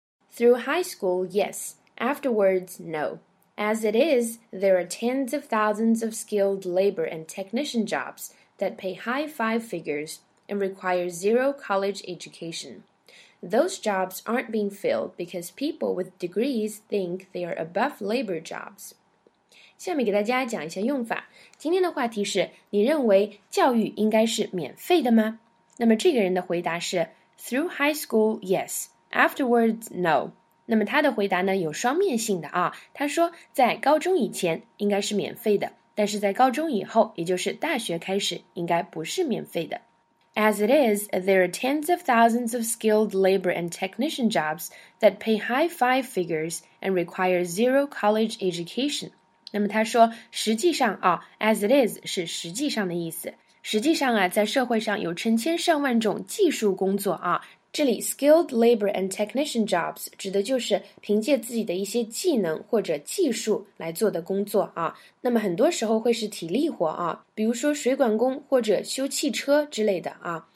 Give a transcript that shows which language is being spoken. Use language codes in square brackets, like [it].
[en] Through high school, yes, afterwards, no. As it is, there are tens of thousands of skilled labor and technician jobs that pay high five figures and require zero college education. Those jobs aren't being filled because people with degrees think they are above labor jobs. [zh] 下面给大家讲一下用法。今天的话题是，你认为教育应该是免费的吗？那么这个人的回答是 [en] through high school, yes. Afterwards, no. [zh] 那么他的回答呢，有双面性的啊。他说在高中以前应该是免费的，但是在高中以后，也就是大学开始，应该不是免费的。 [en] As it is, there are tens of thousands of skilled labor and technician jobs that pay high five figures and require zero college education. [zh] 那么他说实际上啊 [en] as it is [zh] 是实际上的意思。实际上啊在社会上有成千上万种技术工作啊。这里 [en] skilled labor and technician jobs [zh] 指的就是凭借自己的一些技能或者技术来做的工作啊。那么很多时候会是体力活啊，比如说水管工或者修汽车之类的啊。